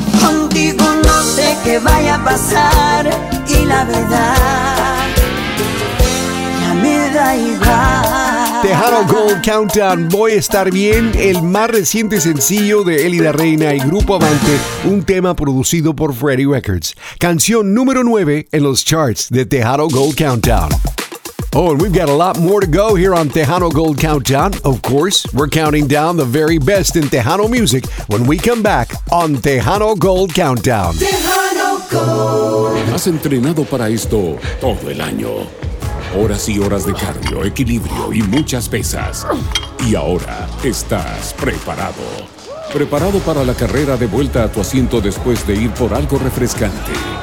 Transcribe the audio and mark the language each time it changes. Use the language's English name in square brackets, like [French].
[Spanish] Contigo no sé qué vaya a pasar, y la verdad, ya me da igual. Tejano Gold Countdown, Voy a Estar Bien, el más reciente sencillo de Elida Reina y Grupo Avante, un tema producido por Freddie Records. Canción número 9 en los charts de Tejano Gold Countdown. [English] Oh, and we've got a lot more to go here on Tejano Gold Countdown. Of course, we're counting down the very best in Tejano music when we come back on Tejano Gold Countdown. Tejano Gold. [Spanish] Has entrenado para esto todo el año. Horas y horas de cardio, equilibrio y muchas pesas. Y ahora estás preparado. Preparado para la carrera de vuelta a tu asiento después de ir por algo refrescante.